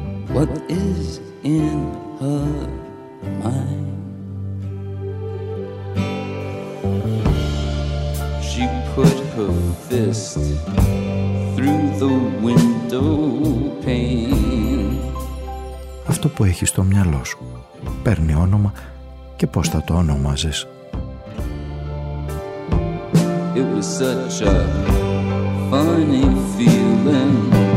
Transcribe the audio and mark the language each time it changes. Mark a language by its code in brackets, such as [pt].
[en] What is in her mind? Put her fist through the window pane. [el] Αυτό που έχεις στο μυαλό σου παίρνει όνομα και πώς θα το ονομάζεις? [en] It was such a funny feeling.